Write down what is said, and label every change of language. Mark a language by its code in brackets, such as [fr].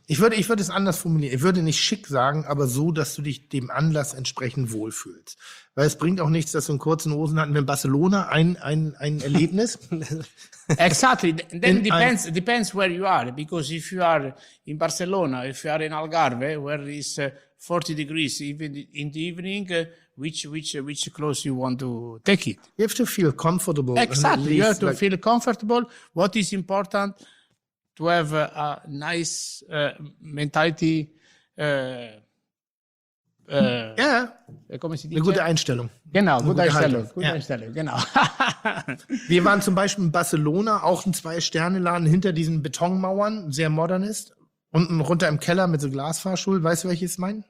[de] Ich würde es anders formulieren. Ich würde nicht schick sagen, aber so, dass du dich dem Anlass entsprechend wohlfühlst. Weil es bringt auch nichts, dass du einen kurzen Hosen hatten. In Barcelona ein Erlebnis. [en] Exactly. Then depends where you are. Because if you are in Barcelona, if you are in Algarve, where it's 40 degrees even in the evening, which clothes you want to take it? You have to feel comfortable. Exactly. You have to feel comfortable. What is important? To have a nice mentality. [it] Come si dice? [de] Eine gute Einstellung. Genau, gute Einstellung. Gute Einstellung, genau. Wir waren zum Beispiel in Barcelona, auch ein Zwei-Sterne-Laden hinter diesen Betonmauern, sehr modernist. Unten runter im Keller mit so Glasfahrstuhl. Weißt du, welches ich meine?